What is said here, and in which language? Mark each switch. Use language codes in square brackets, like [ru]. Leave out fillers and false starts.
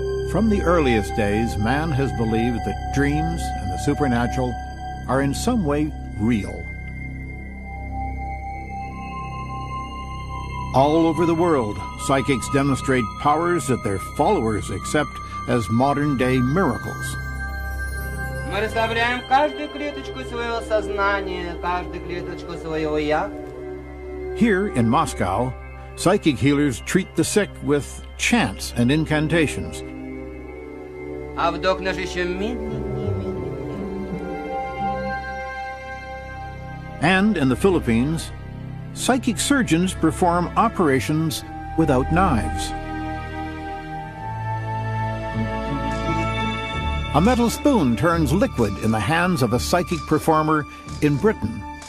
[en] From the earliest days, man has believed that dreams and the supernatural are in some way real. All over the world, psychics demonstrate powers that their followers accept as modern-day miracles. [ru] Мы расслабляем каждую клеточку своего сознания, каждую клеточку своего я. [en] Here in Moscow, psychic healers treat the sick with chants and incantations. [ru] А вдох наш еще медленнее. [en] And in the Philippines, psychic surgeons perform operations without knives. A metal spoon turns liquid in the hands of a psychic performer in Britain.